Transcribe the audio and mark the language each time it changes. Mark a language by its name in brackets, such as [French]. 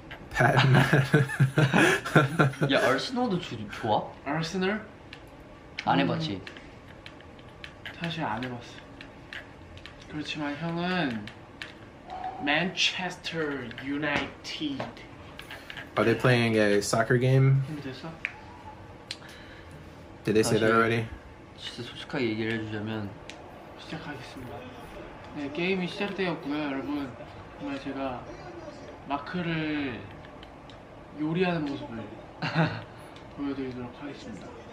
[Korean] 팩트. 야, 아스널도 좋아? 아스널? 안 해봤지? 사실 안 해봤어. 그렇지만 형은 Manchester United. [English] Are they playing a soccer game? [Korean] 힘들어? [English] Did they say that already? [Korean] 진짜 솔직하게 얘기를 해주자면 시작하겠습니다. 네, 게임이 시작되었고요, 여러분. 정말 제가 마크를 요리하는 모습을 보여드리도록 하겠습니다.